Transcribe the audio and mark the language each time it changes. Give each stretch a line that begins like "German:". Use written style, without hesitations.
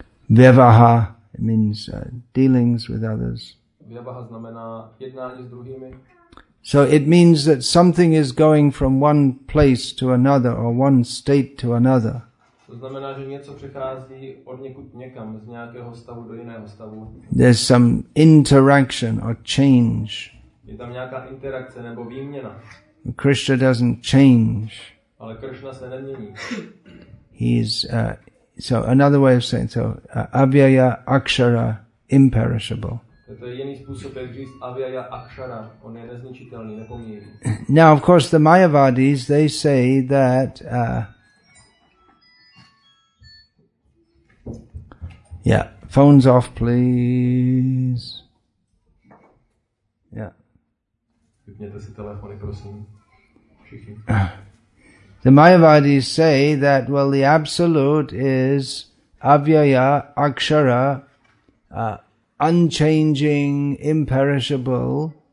English: Vyavaha, it means dealings with others.
Czech: Vyavaha znamená jednání s druhými.
English: So it means that something is going from one place to another, or one state to another.
Czech: To znamená, že něco přechází od někud někam, z nějakého stavu do jiného stavu.
English: There's some interaction or change.
Czech: Je tam nějaká interakce nebo výměna.
English: Krishna doesn't change.
Czech: Ale Krishna se nemění.
English: He's so another way of saying, so avyaya akshara imperishable.
Czech: To je jiný způsob, jak říct avyaya akshara, on je nezničitelný, nepomíjivý.
English: Now of course the Mayavadis, they say that yeah, phones off please. Yeah.
Czech: Vypněte si telefony, prosím.
English: The Mayavadis say that, well, the absolute is avyaya akshara, unchanging, imperishable.